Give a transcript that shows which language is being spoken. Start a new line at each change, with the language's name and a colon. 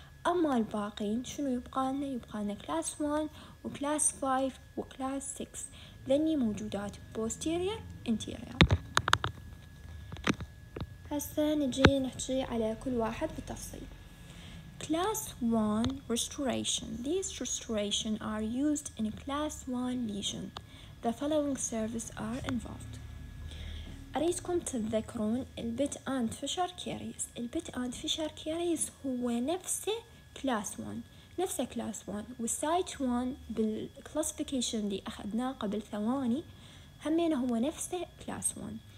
Arabic: اما الباقين شنو يبقى لنا؟ يبقى لنا كلاس 1 وكلاس 5 وكلاس 6، ذني موجودات بوستيريور انتيريور. هسه نجي نحكي على كل واحد بالتفصيل.
English: Class 1 restoration. These restoration are used in a class 1 lesion. The following service are involved.
Arabic: أريدكم تذكرون البيت أند فيشر كيريز. البيت أند فيشر كيريز هو نفسه class 1، نفسه class 1 والسايت 1 بالclassification اللي أخذناه قبل ثواني همين هو نفسه class 1.